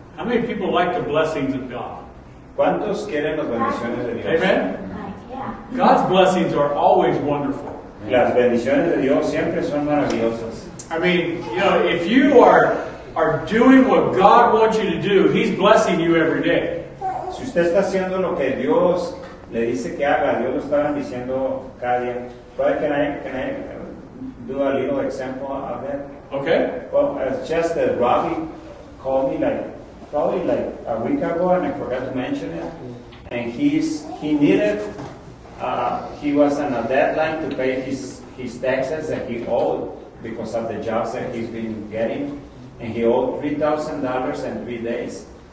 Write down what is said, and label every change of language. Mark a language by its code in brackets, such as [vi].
[en] How many people like the blessings of God? [es] ¿Cuántos quieren las bendiciones de Dios? [en] Amen. God's blessings are always wonderful. [es] Las bendiciones de Dios siempre son maravillosas. [en] I mean, you know, if you are doing what God wants you to do, He's blessing you every day. [es] Si usted está haciendo lo que Dios le dice que haga, Dios lo está bendiciendo cada día. [en] Can I do a little example of that? Okay. Well, Chester Robbie, called me like probably like a week ago, and I forgot to mention it. And he needed. He was on a deadline to pay his taxes that he owed because of the jobs that he's been getting, and he owed $3,000 in 3 days.